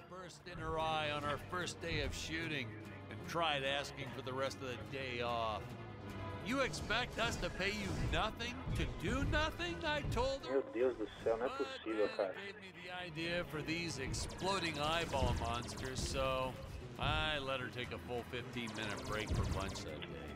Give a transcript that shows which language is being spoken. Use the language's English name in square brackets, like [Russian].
[English] First in her eye on our first day of shooting and tried asking for the rest of the day off. You expect us to pay you nothing to do nothing? I told her. [Portuguese] Meu Deus do céu, não é possível, cara. [English] Gave me the idea for these exploding eyeball monsters, so I let her take a full 15-minute break for lunch that day.